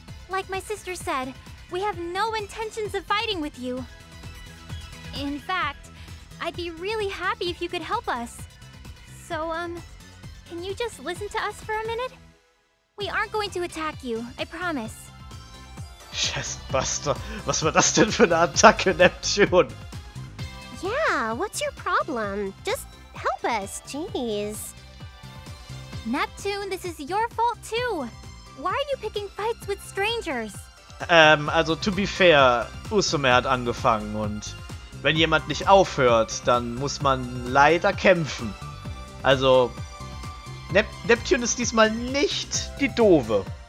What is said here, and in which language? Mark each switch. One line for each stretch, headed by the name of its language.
English: Like my sister said, we have no intentions of fighting with you. In fact, I'd be really happy if you could help us. So, can you just listen to us for a minute? We aren't going to attack you, I promise.
German: Scheißbuster, was war das denn für eine Attacke, Neptune?
English: Yeah, what's your problem? Just help us, jeez. Neptune, this is your fault too. Why are you picking fights with strangers? Also to be fair,
German: Usume hat angefangen und wenn jemand nicht aufhört, dann muss man leider kämpfen. Also, Neptune ist diesmal nicht die Doofe.